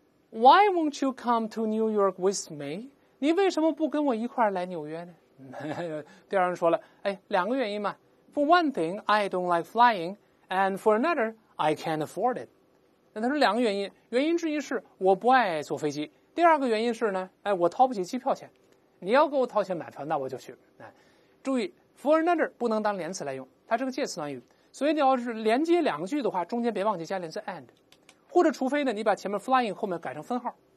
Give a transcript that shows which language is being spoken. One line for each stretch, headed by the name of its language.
English: Why won't you come to New York with me？
Chinese: 你为什么不跟我一块来纽约呢？第二人说了，哎，两个原因嘛。
English: For one thing I don't like flying， and for another I can't afford it。
Chinese: 那他说两个原因，原因之一是我不爱坐飞机，第二个原因是呢，哎，我掏不起机票钱，你要给我掏钱买票那我就去。注意
English: For another
Chinese: 不能当连词来用，它是个介词短语，所以你要是连接两句的话，中间别忘记加连词 and， 或者除非呢，你把前面 flying 后面改成分号。